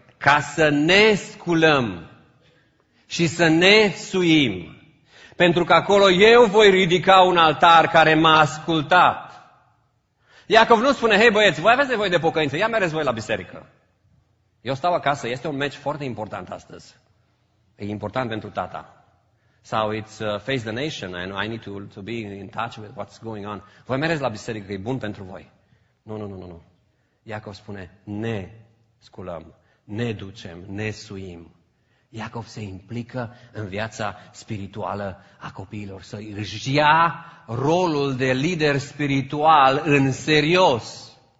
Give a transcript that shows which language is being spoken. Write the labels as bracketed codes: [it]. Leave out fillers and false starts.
[ro] Ca să ne sculăm și să ne suim, pentru că acolo eu voi ridica un altar care m-a ascultat. Iacov nu spune, hei băieți, voi aveți nevoie de pocăință, ia mereți voi la biserică. Eu stau acasă, este un meci foarte important astăzi. E important pentru tata. Sau [en] it's face the nation and I need to be in touch with what's going on. [ro] Voi mereți la biserică, e bun pentru voi. Nu. Iacov spune, ne sculăm. Ne ducem, ne suim. Iacov se implică în viața spirituală a copiilor săi. Își ia rolul de lider spiritual în serios.